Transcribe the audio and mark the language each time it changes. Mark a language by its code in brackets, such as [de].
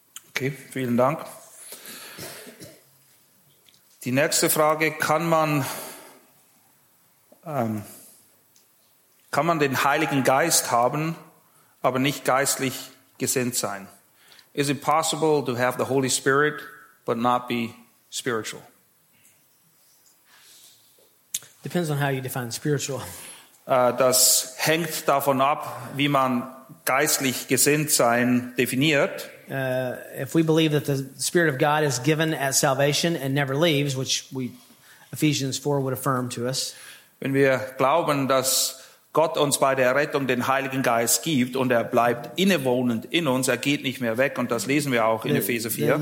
[de] Okay, vielen Dank. Die nächste Frage, kann man den Heiligen Geist haben, aber nicht geistlich gesinnt sein? [en] Is it possible to have the Holy Spirit but not be spiritual? Depends on how you define spiritual. [de] Das hängt davon ab, wie man geistlich gesinnt sein definiert. [en] If we believe that the Spirit of God is given at salvation and never leaves, which we Ephesians 4 would affirm to us. [de] Wenn wir glauben, dass Gott uns bei der Errettung den Heiligen Geist gibt und er bleibt innewohnend in uns, er geht nicht mehr weg und das lesen wir auch in Epheser 4.